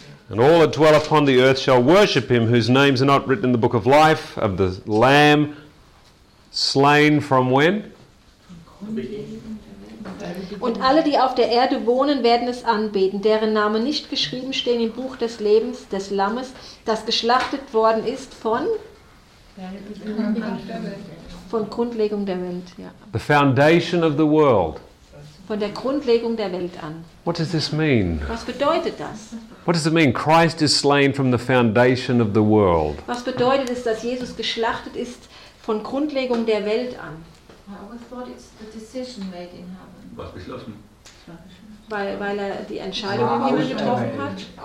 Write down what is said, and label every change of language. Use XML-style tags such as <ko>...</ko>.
<en>And all that dwell upon the earth shall worship him whose names are not written in the book of life of the Lamb slain from when?</en> <de>Und alle, die auf der Erde wohnen, werden es anbeten, deren Namen nicht geschrieben stehen im Buch des Lebens des Lammes, das geschlachtet worden ist von? Von Grundlegung der Welt, ja.</de> <en>The foundation of the world.</en> <de>Von der Grundlegung der Welt an.</de> <en>What does this mean?</en> <de>Was bedeutet das?</de> <en>What does it mean? Christ is slain from the foundation of the world.</en> <de>Was bedeutet es, dass Jesus geschlachtet ist von Grundlegung der Welt an?</de> <en>I always thought it's the decision made in heaven.</en> <de>Was beschlossen? Weil er die Entscheidung im Himmel getroffen hat.</de>